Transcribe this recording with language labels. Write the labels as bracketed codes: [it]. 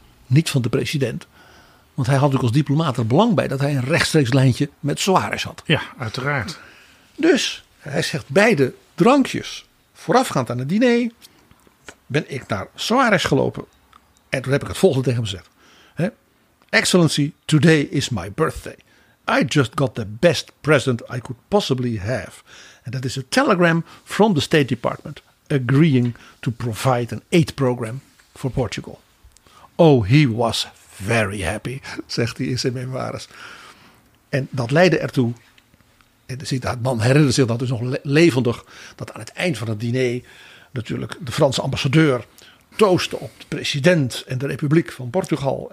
[nl] Niet van de president. Want hij had natuurlijk als diplomaat er belang bij dat hij een rechtstreeks lijntje met Soares had. Ja, uiteraard. Dus hij zegt, beide drankjes voorafgaand aan het diner ben ik naar Soares gelopen. En toen heb ik het volgende tegen hem gezegd. [en] Excellency, today is my birthday. I just got the best present I could possibly have. And that is a telegram from the State Department agreeing to provide an aid program for Portugal. Oh, he was very happy, [nl] zegt hij in zijn memoires. En dat leidde ertoe, en het man herinnert zich dat dus nog levendig, dat aan het eind van het diner natuurlijk de Franse ambassadeur toastte op de president en de Republiek van Portugal.